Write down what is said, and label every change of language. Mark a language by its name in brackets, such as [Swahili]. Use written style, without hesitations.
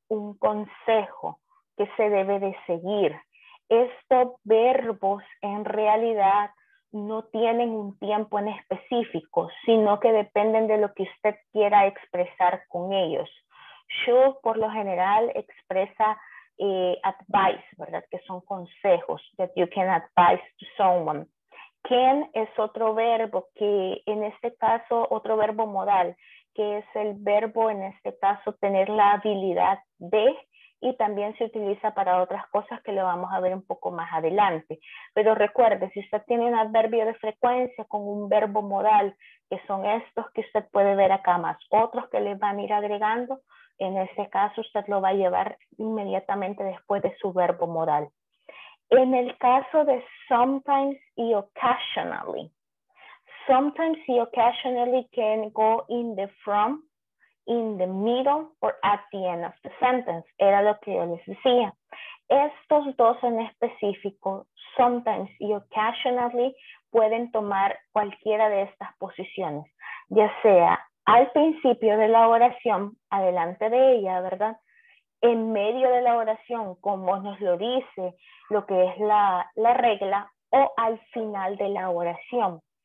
[Spanish] Un consejo que se debe de seguir. Estos verbos en realidad no tienen un tiempo en específico, sino que dependen de lo que usted quiera expresar con ellos. Should, por lo general, expresa advice, ¿verdad? Que son consejos, [English] that you can advise to someone. [Spanish] Can es otro verbo que, en este caso, otro verbo modal, que es el verbo, en este caso, tener la habilidad de. Y también se utiliza para otras cosas que lo vamos a ver un poco más adelante. Pero recuerde, si usted tiene un adverbio de frecuencia con un verbo modal, que son estos que usted puede ver acá más, otros que le van a ir agregando, en este caso usted lo va a llevar inmediatamente después de su verbo modal. En el caso de sometimes y occasionally, [English] Sometimes he occasionally can go in the front, in the middle, or at the end of the sentence. [Spanish] Era lo que yo les decía. Estos dos en específico, sometimes y occasionally, pueden tomar cualquiera de estas posiciones, ya sea al principio de la oración, adelante de ella, ¿verdad? En medio de la oración, como nos lo dice lo que es la regla, o al final de la oración.